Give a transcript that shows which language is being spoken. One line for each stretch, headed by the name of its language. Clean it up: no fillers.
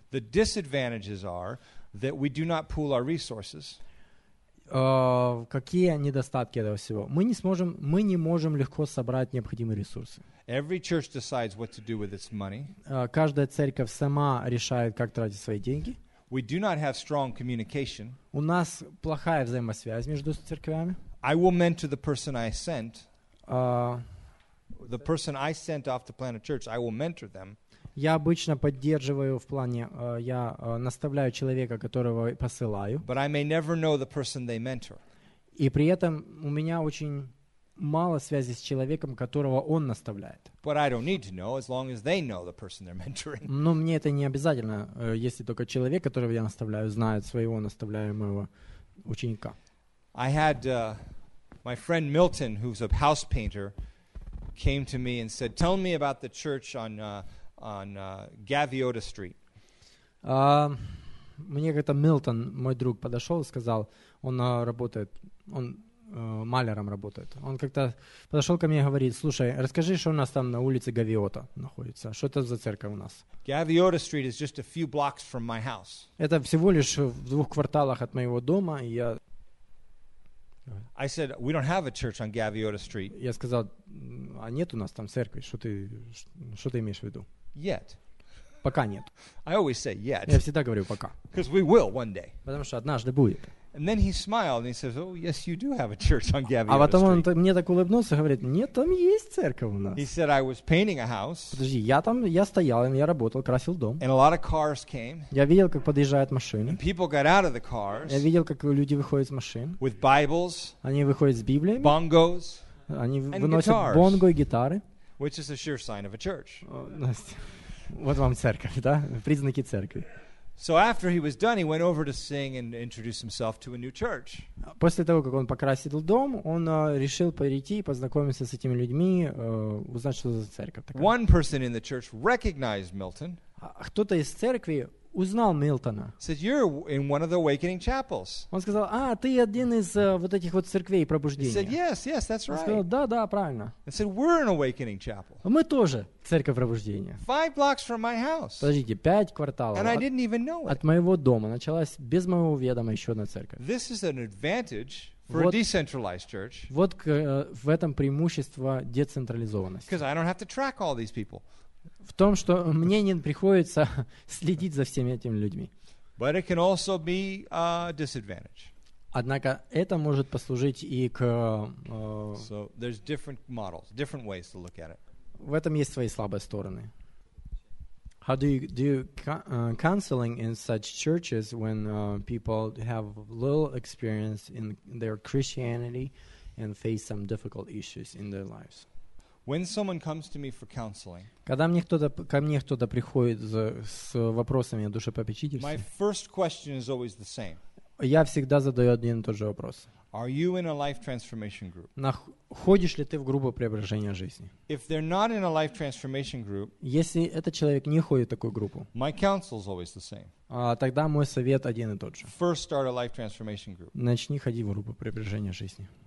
English: The disadvantages are that we do not pool our resources.
Russian: Какие недостатки этого всего? Мы не можем легко собрать необходимые ресурсы.
English: Every church decides what to do with its money.
Russian: Каждая церковь сама решает, как тратить свои деньги.
English: We do not have strong communication.
Russian: У нас плохая взаимосвязь между церквями.
English: I will mentor the person I sent. The person I sent off to plant a church, I will mentor them.
Russian: Я обычно поддерживаю в плане, я наставляю человека, которого посылаю.
English: But I may never know the person they mentor.
Russian: И при этом у меня очень мало связи с человеком, которого он наставляет.
English: But I don't need to know, as long as they know the person they're mentoring.
Russian: Но мне это не обязательно, если только человек, которого я наставляю, знает своего наставляемого ученика.
English: I had my friend Milton, who's a house painter, came to me and said, "Tell me about the church on Gaviota Street."
Russian: Мне как-то Милтон, мой друг, подошел и сказал, он работает, он маляром работает. Он как-то подошел ко мне и говорит: "Слушай, расскажи, что у нас там на улице Гавиота находится? Что это за церковь у нас?"
English: Gaviota Street is just a few blocks from my house.
Russian: Это всего лишь в 2 кварталах от моего дома. И я...
English: I said, "We don't have a church on Gaviota Street."
Russian: Я сказал: "А нет у нас там церкви? Что ты имеешь в виду?"
English: Yet.
Russian: Пока нет.
English: I always say yet.
Russian: Я всегда говорю пока.
English: Because we will one day.
Russian: Потому что однажды будет.
English: And then he smiled and he says, "Oh, yes, you do have a church on Gaviota Street."
Russian: А потом он мне так улыбнулся и говорит: "Нет, там есть церковь у нас."
English: He said, "I was painting a house."
Russian: Подожди, я стоял, я работал, красил дом.
English: And a lot of cars came.
Russian: Я видел, как подъезжают машины.
English: And people got out of the cars.
Russian: Я видел, как люди выходят из машин.
English: With Bibles.
Russian: Они выходят с Библиями.
English: Bongos.
Russian: Они выносят бонго и гитары.
English: Which is a sure sign of a church.
Russian: Вот вам церковь, да? Признаки церкви.
English: So after he was done, he went over to sing and introduce himself to a new church.
Russian: После того, как он покрасил дом, он решил прийти и познакомиться с этими людьми, узнать, что за церковь такая.
English: One person in the church recognized Milton.
Russian: Кто-то из церкви узнал Милтона.
English: Said, "You're in one of the Awakening Chapels."
Russian: Он сказал: "А, ты один из вот этих вот церквей пробуждения."
English: He said, "Yes, yes, that's right."
Russian: Он сказал: "Да, да, правильно."
English: He said, "We're an Awakening Chapel."
Russian: Мы тоже церковь пробуждения.
English: 5 blocks from my house.
Russian: Подождите, 5 кварталов.
English: And I didn't even know it.
Russian: От моего дома началась без моего ведома еще одна церковь.
English: This is an advantage for a decentralized church.
Russian: Вот в этом преимущество децентрализованности.
English: Because I don't have to track all these people.
Russian: В том, что мне не приходится следить за всеми этими людьми.
English: But it can also be a disadvantage.
Russian: Однако это может послужить и к...
English: So there's different models, different ways to look at it.
Russian: В этом есть свои слабые стороны.
English: How do you do counseling in such churches when people have little experience in their Christianity and face some difficult issues in their lives? When someone comes to me for counseling,
Russian: когда ко мне кто-то приходит с вопросами о душепопечительстве,
English: my first question is always the same.
Russian: Я всегда задаю один и тот же вопрос.
English: Are you in a life transformation group?
Russian: Находишь ли ты в группу преображения жизни?
English: If they're not in a life transformation group,
Russian: если этот человек не ходит в такую группу,
English: my counsel is always the same.
Russian: Тогда мой совет один и тот же.
English: First, start a life transformation group.
Russian: Начни ходить в группу преображения жизни.